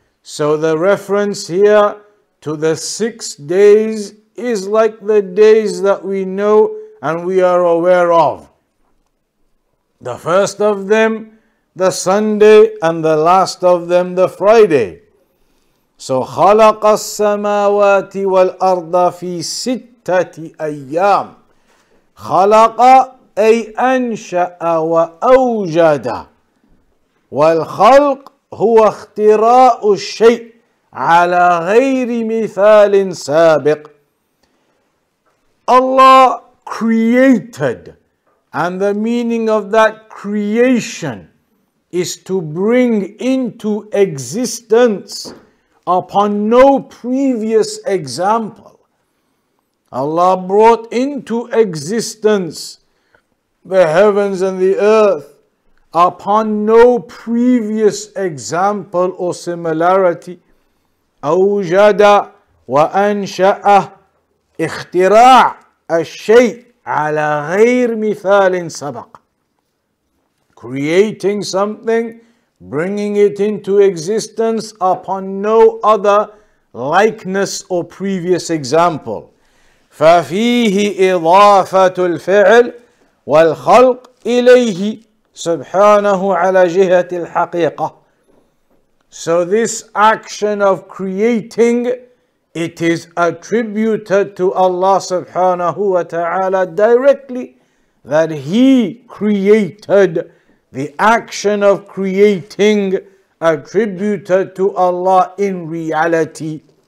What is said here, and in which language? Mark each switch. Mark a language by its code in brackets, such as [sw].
[en] So the reference here to the 6 days is like the days that we know and we are aware of. The first of them, the Sunday, and the last of them, the Friday. [ar] So خلق السماوات والأرض في ست أيام. خلق أي أنشأ وأوجد، والخلق هو اختراء الشيء على غير مثال سابق. [en] Allah created, and the meaning of that creation is to bring into existence upon no previous example. Allah brought into existence the heavens and the earth upon no previous example or similarity. [ar] أَوْجَدَ وَأَنْشَأَ اخْتِرَاعَ الشَّيْءَ عَلَى غَيْرِ مِثَالٍ سَبَقٍ. [en] Creating something, bringing it into existence upon no other likeness or previous example. [ar] ففيه إضافة الفعل والخلق إليه سبحانه على جهة الحقيقة. [en] So this action of creating, it is attributed to Allah سبحانه وتعالى directly, that He created. The action of creating attributed to Allah in reality.